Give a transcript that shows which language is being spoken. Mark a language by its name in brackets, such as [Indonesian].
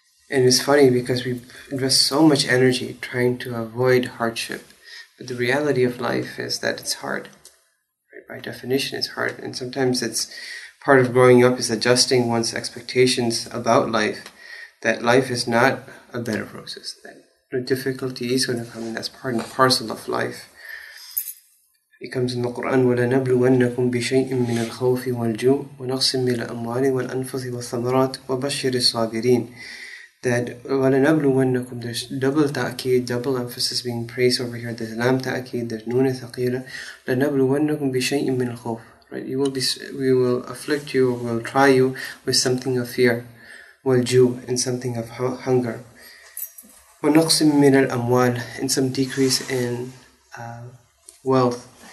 [English] And it's funny because we invest so much energy trying to avoid hardship, but the reality of life is that it's hard. Right? By definition, it's hard, and sometimes it's part of growing up is adjusting one's expectations about life. That life is not a bed of roses. That difficulty is going to come, and that's part and parcel of life. It comes in the Quran, [Arabic] وَلَنَبْلُوَنَّكُمْ بِشَيْءٍ مِّنَ الْخَوْفِ وَالْجُوءِ وَنَقْصٍ مِّنَ الْأَمْوَالِ وَالْأَنفُسِ وَالثَّمَرَاتِ وَبَشِّرِ الصَّابِرِينَ. [English] That وَلَنَبْلُوَنَّكُمْ, there's double ta'keed, double emphasis being praised over here. There's lam ta'keed, there's noon thaqila. [Arabic] لَنَبْلُوَنَّكُمْ بِشَيْءٍ مِّنَ الْخَوْفِ. [English] Right? We will afflict you, or we'll try you with something of fear. وَالْجُوءِ, and something of hunger. [Arabic] وَنَقْصٍ مِّنَ الْأَمْوَالِ, [English] and some decrease in wealth.